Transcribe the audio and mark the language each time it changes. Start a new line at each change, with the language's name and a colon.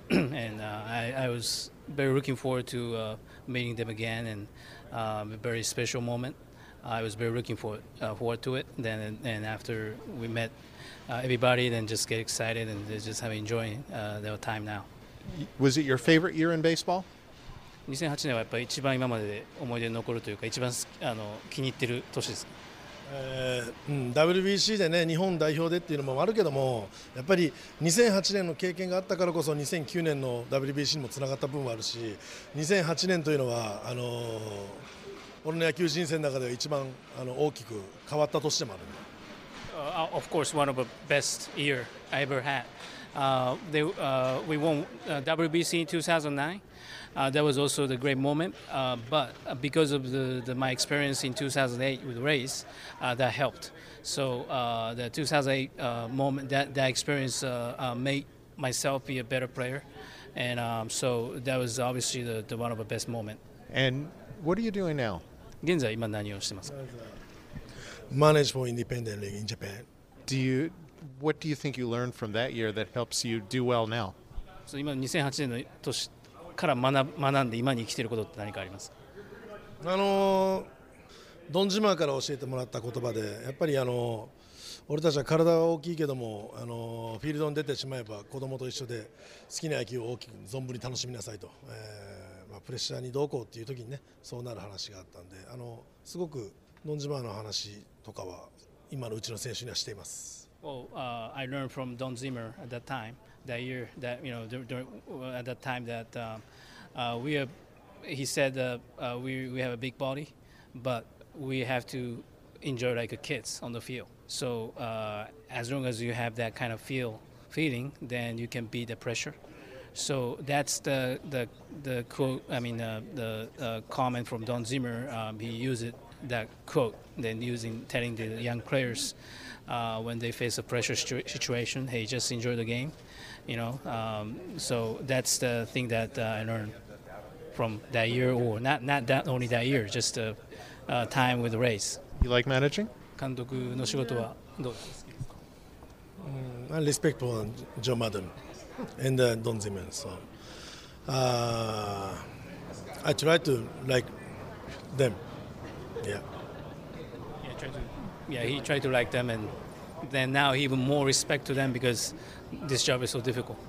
English: And I was very looking forward to meeting them again, and a very special moment. I was very looking forward to it. Then, and after we met everybody, then just get excited and just have enjoying their time now. Was it your favorite year in baseball?
Japanese: 2008年はやっぱり一番今までで思い出に残るというか一番気に入ってる年です。 WBC でね日本代表でっていうのもあるけどもやっぱり2008年の経験があったからこそ2009年の WBC にもつながった部分もあるし2008年というのは俺の野球人生の中では一番大きく変わった年でもあるんだ。
English: Of course, one of the best year I ever had. We won WBC in 2009. That was also the great moment. But because of my experience in 2008 with Rays, that helped. So the 2008 moment, that experience made myself be a better player. And so that was obviously the one of the best moment. And what are you doing now?
Japanese: 現在今何をしてますか?
English: Manage for independent league in Japan. What do you think you learned from that year that helps you do well now?
Japanese: So, 今2008年の年から学んで今に生きていることって何かありますか？ドンジマーから教えてもらった言葉で、やっぱり俺たちは体が大きいけども、フィールドに出てしまえば子供と一緒で好きな野球を大きく存分に楽しみなさいと、プレッシャーにどうこうっていう時にね、そうなる話があったんで、すごくドンジマーの話とかは今のうちの選手にはしています。
English: Well, I learned from Don Zimmer at that time, that year, that you know, at that time that he said we have a big body, but we have to enjoy like a kids on the field. So as long as you have that kind of feeling, then you can beat the pressure. So that's the quote. I mean, the comment from Don Zimmer. He used it. That quote, then telling the young players when they face a pressure situation, hey, just enjoy the game, you know. So that's the thing that I learned from that year, or not that only that year, just the time with the Rays. You like managing?
Japanese: 監督の仕事はどうですか?
English: I respect for Joe Madden and Don Zimmer. So I try to like them. Yeah. He tried to like them, and then now even more respect to them because this job is so difficult.